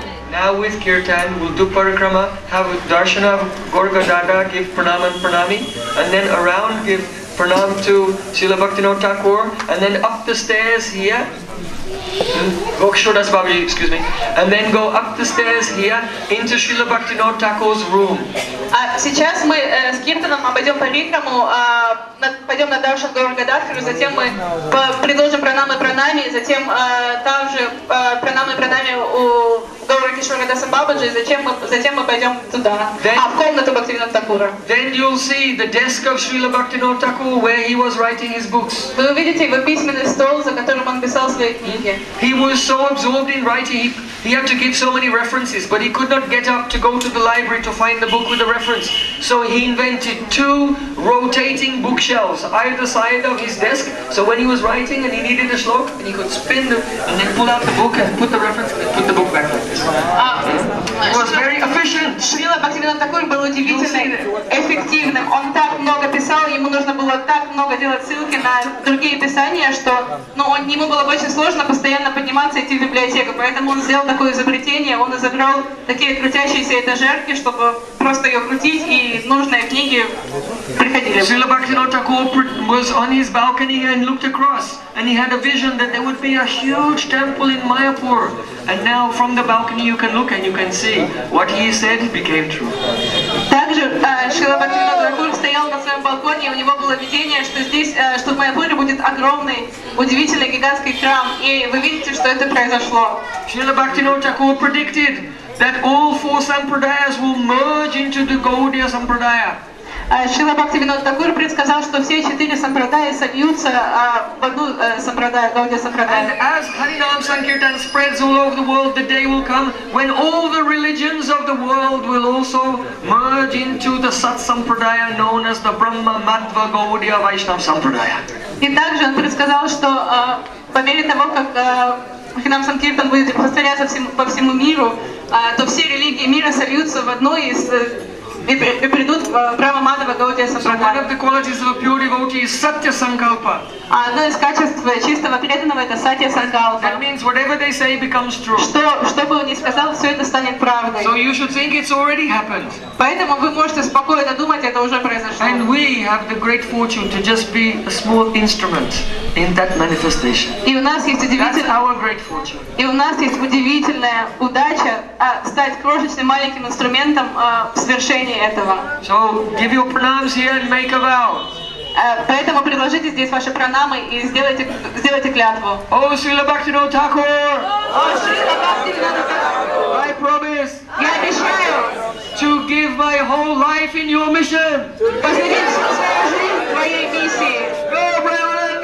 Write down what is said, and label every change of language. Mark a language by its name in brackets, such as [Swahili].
[English] Now with Kirtan, we'll do Parikrama, have a darshana of Gorga Dada, give pranam and pranami, and then around give pranam to Srila Bhaktivinoda Thakur, and then up the stairs here. Gokshodas Babaji, excuse me. And then go up the stairs here into Srila Bhaktivinoda Thakur's room. [Russian] Сейчас мы с Киртаном обойдем парикраму, пойдем на даршан Горга Дадхару, затем мы продолжим пранамы пранами, затем также пранамы пранами у Бхактивинода Бабаджи, затем мы пойдем туда, then, а в комнату Бхактивинода Такура. [English] Then you'll see the desk of Srila Bhaktivinoda Thakur where he was writing his books. [Russian] Вы увидите его письменный стол, за которым он писал свои книги. [English] He was so absorbed in writing, he had to give so many references, but he could not get up to go to the library to find the book with the reference. So he invented two rotating bookshelves either side of his desk. So when he was writing and he needed a shlok, he could spin them and then pull out the book and put the reference and put the book back. It was very efficient. [Russian] Srila Bhaktivinoda Thakur был удивительно эффективным. Он так много писал, ему нужно было так много делать ссылки на другие писания, что ему было очень сложно постоянно подниматься и идти в библиотеку. Поэтому он сделал такое изобретение. Он изобрел такие крутящиеся этажерки, чтобы просто ее крутить, и нужные книги приходили. [English] Srila Bhaktivinoda Thakur was on his balcony and looked across. And he had a vision that there would be a huge temple in Mayapur. And now from the balcony you can look and you can see what he said became true. [Russian] Также Шрила Бхактивинода Такур стоял на своем балконе, и у него было видение, что здесь, что в Майапуре будет огромный, удивительный, гигантский храм. И вы видите, что это произошло. [English] Шрила Бхактивинода Такур predicted that all four sampradayas will merge into the Gaudiya sampradaya. [Russian] Шрила Бхактивинода Такур предсказал, что все четыре сампрадаи сольются в одну сампрадаю, Гаудия сампрадаю. [English] As Harinam Sankirtan spreads all over the world, the day will come when all the religions of the world will also merge into the Sat Sampradaya, known as the Brahma Madhva Gaudiya Vaishnava Sampradaya. [Russian] И также он предсказал, что по мере того, как Харинам Санкиртан будет распространяться по всему миру, то все религии мира сольются в одной из и придут в Брама Мадхава Гаудия Сампрадая. [English] One of the qualities of a pure devotee is Satya Sankalpa. [Russian] А одно из качеств чистого преданного это Satya Sankalpa. [English] That means whatever they say becomes true. [Russian] Что бы он ни сказал, все это станет правдой. [English] So you should think it's already happened. [Russian] Поэтому вы можете спокойно думать, это уже произошло. [English] And we have the great fortune to just be a small instrument in that manifestation. [Russian] И у нас есть удивительная... [English] That's our great fortune. [Russian] И у нас есть удивительная удача стать крошечным маленьким инструментом в свершении. [English] So give your pranams here and make a vow. [Russian] Поэтому предложите здесь ваши пранамы и сделайте клятву. [English] О, Srila Bhaktivinoda Thakur! [Russian] О, Srila Bhaktivinoda Thakur! [English] I promise. [Russian] Я обещаю. [English] To give my whole life in your mission. [Russian] Посвятить всю свою жизнь твоей миссии.